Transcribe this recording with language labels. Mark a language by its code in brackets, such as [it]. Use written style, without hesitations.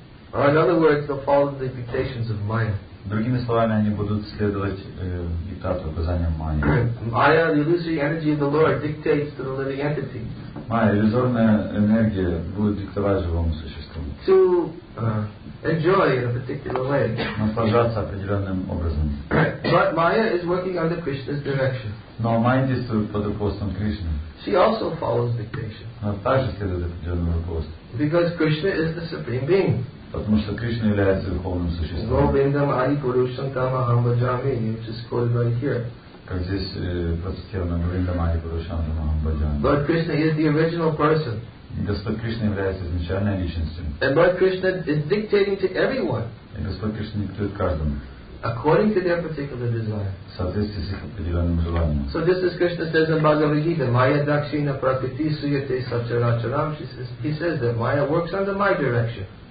[en] Or in other words, they'll follow the dictations of Maya. [ru] Другими словами, они будут следовать диктату, указаниям Майи. [en] Maya, the illusory energy of the Lord, dictates to the living entity. [ru] Майя, иллюзорная энергия, будет диктовать живому существу. [en] To enjoy in a particular way. [ru] Наслаждаться определенным образом. [en] But Maya is working under Krishna's direction. [ru] Но Майя действует под руководством Кришны. [en] She also follows dictation. [ru] Она также следует определенному руководству. [en] Because Krishna is the supreme being. [ru] Потому что Кришна является духовным существом. Как здесь процитировано, [sa] Говиндам Ари Пурушанта Махамбаджами. [en] Lord Krishna is the original person. [ru] Господь Кришна является изначальной личностью. [en] And Lord Krishna is dictating to everyone. [ru] И Господь Кришна диктует каждому. [en] According to their particular desire. [ru] Соответствии с их определенным желанием. [en] So this is Krishna says in Bhagavad Gita, [sa] Maya Dakshina Prakriti Suyate Sacharacharam. [en] He says that Maya works under my direction.